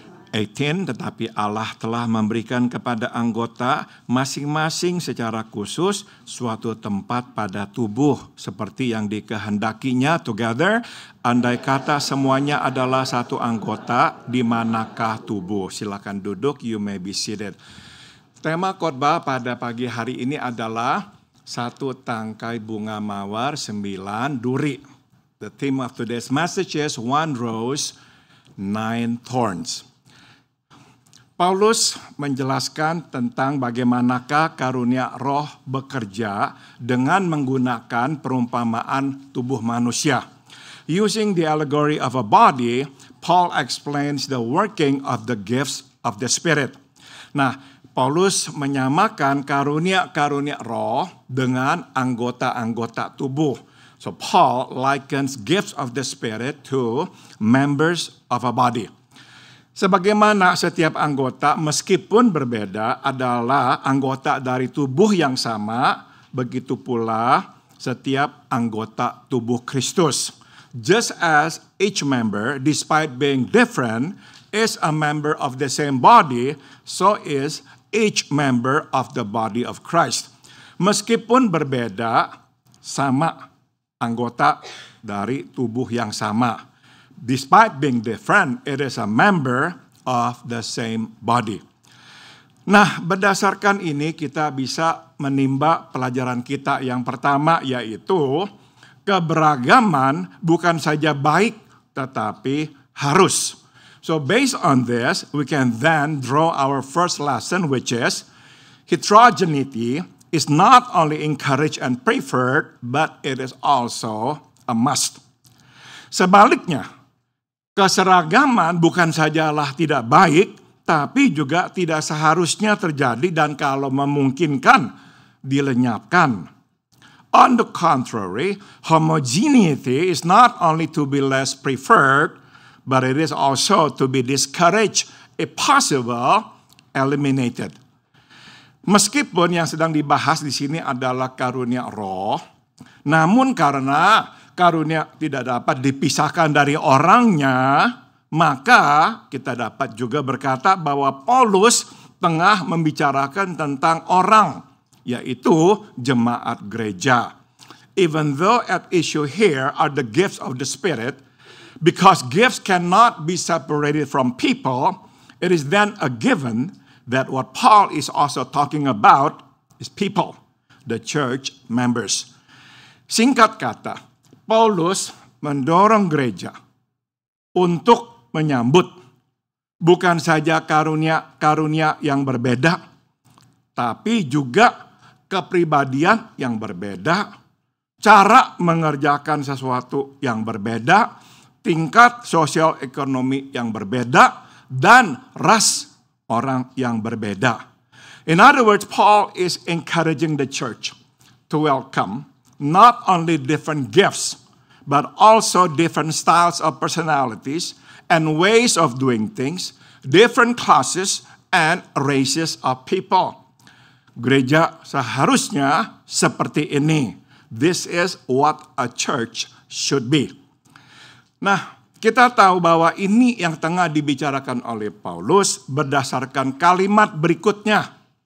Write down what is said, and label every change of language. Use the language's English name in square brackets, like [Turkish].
[Indonesian] Tetapi Allah telah memberikan kepada anggota masing-masing secara khusus suatu tempat pada tubuh, seperti yang dikehendakinya. Together, andai kata semuanya adalah satu anggota, di manakah tubuh? Silakan duduk, you may be seated. Tema khotbah pada pagi hari ini adalah satu tangkai bunga mawar, sembilan duri. [English] The theme of today's message is one rose, nine thorns. [Indonesian] Paulus menjelaskan tentang bagaimanakah karunia roh bekerja dengan menggunakan perumpamaan tubuh manusia. [English] Using the allegory of a body, Paul explains the working of the gifts of the Spirit. [Indonesian] Nah, Paulus menyamakan karunia-karunia roh dengan anggota-anggota tubuh. [English] So Paul likens gifts of the Spirit to members of a body. [Indonesian] Sebagaimana setiap anggota meskipun berbeda adalah anggota dari tubuh yang sama, begitu pula setiap anggota tubuh Kristus. [English] Just as each member, despite being different, is a member of the same body, so is each member of the body of Christ. [Indonesian] Meskipun berbeda, sama anggota dari tubuh yang sama. [English] Despite being different, it is a member of the same body. [Indonesian] Nah, berdasarkan ini kita bisa menimba pelajaran kita yang pertama, yaitu keberagaman bukan saja baik, tetapi harus. [English] So based on this, we can then draw our first lesson, which is heterogeneity is not only encouraged and preferred, but it is also a must. [Indonesian] Sebaliknya, keseragaman bukan sajalah tidak baik, tapi juga tidak seharusnya terjadi dan kalau memungkinkan, dilenyapkan. [English] On the contrary, homogeneity is not only to be less preferred, but it is also to be discouraged, if possible, eliminated. [Indonesian] Meskipun yang sedang dibahas di sini adalah karunia roh, namun karena karunia tidak dapat dipisahkan dari orangnya, maka kita dapat juga berkata bahwa Paulus tengah membicarakan tentang orang, yaitu jemaat gereja. [English] Even though at issue here are the gifts of the Spirit, because gifts cannot be separated from people, it is then a given that what Paul is also talking about is people, the church members. [Indonesian] Singkat kata, Paulus mendorong gereja untuk menyambut bukan saja karunia-karunia yang berbeda, tapi juga kepribadian yang berbeda, cara mengerjakan sesuatu yang berbeda, tingkat sosial ekonomi yang berbeda, dan ras orang yang berbeda. [English] In other words, Paul is encouraging the church to welcome not only different gifts, but also different styles of personalities and ways of doing things, different classes and races of people. [Indonesian] Gereja seharusnya seperti ini. This is what a church should be. Nah, kita tahu bahwa ini yang tengah dibicarakan oleh Paulus berdasarkan kalimat berikutnya.